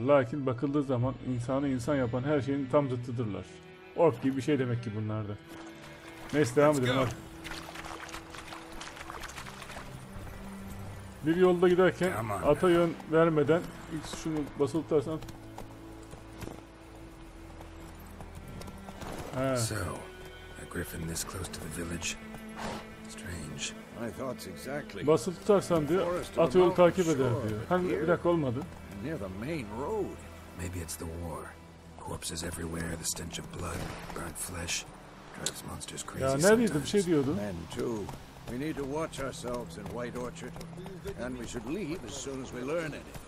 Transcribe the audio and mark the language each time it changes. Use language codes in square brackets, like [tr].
[tr] Lakin bakıldığı zaman insanı insan yapan her şeyin tam zıttıdırlar. Ork gibi bir şey demek ki bunlar da. Neyse devam edelim. Hadi. Bir yolda giderken ata yön vermeden ilk şunu basılı tutarsan. [en] So, a griffin this close to the village. Strange. I thought exactly. [tr] Basıl tutarsan diyor, at yolu takip eder diyor. Hani bir dakika olmadı. [en] Near the main road. Maybe it's the war. Corpses everywhere, the stench of blood, burnt flesh. Drives monsters crazy. [tr] Ya neredeydi? Bir şey diyordu. [en] Men too. We need to watch ourselves in White Orchard, and we should leave as soon as we learn anything.